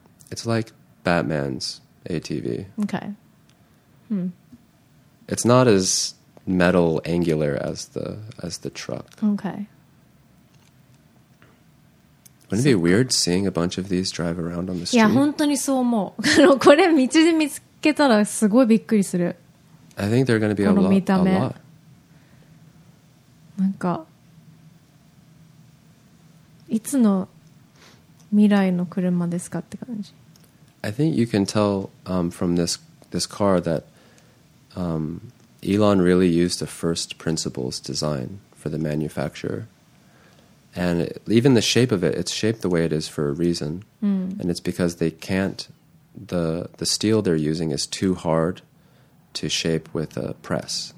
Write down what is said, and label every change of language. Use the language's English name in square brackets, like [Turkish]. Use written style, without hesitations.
[English] It's like Batman's ATV. Okay. Hmm. It's not as metal angular as the truck. Okay. Wouldn't it be weird seeing a bunch of these drive around on the street? [Japanese] いや、本当にそう思う。これ道で見つけたらすごいびっくりする。 [English] I think they're going to be a lot. [Japanese] この見た目。なんか、いつの未来の車ですかって感じ。 [English] I think you can tell from this car that Elon really used a first principles design for the manufacturer. And even the shape of it, it's shaped the way it is for a reason. And it's because they can't, the steel they're using is too hard to shape with a press.